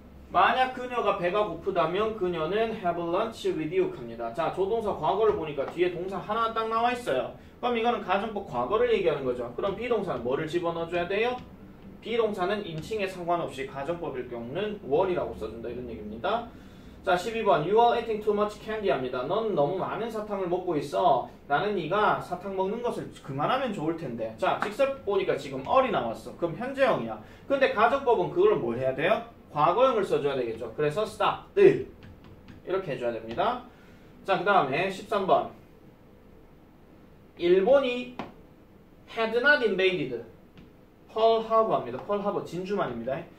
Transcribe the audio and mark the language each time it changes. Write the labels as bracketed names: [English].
[Korean] 만약 그녀가 배가 고프다면 그녀는 [English] have lunch with you [Korean] 합니다. 자, 조동사 과거를 보니까 뒤에 동사 하나 딱 나와 있어요. 그럼 이거는 가정법 과거를 얘기하는 거죠. 그럼 비동사는 뭐를 집어넣어줘야 돼요? 비동사는 인칭에 상관없이 가정법일 경우는 were이라고 써준다 이런 얘기입니다. 자, 12번 [English] You are eating too much candy [Korean] 합니다. 넌 너무 많은 사탕을 먹고 있어. 나는 네가 사탕 먹는 것을 그만하면 좋을 텐데. 자, 직설법 보니까 지금 are이 나왔어. 그럼 현재형이야. 근데 가정법은 그걸 뭘 해야 돼요? 과거형을 써줘야 되겠죠. 그래서 stop, did 이렇게 해줘야 됩니다. 자, 그 다음에 13번 일본이 [English] had not invaded Pearl Harbor [Korean] 합니다. Pearl Harbor 진주만입니다.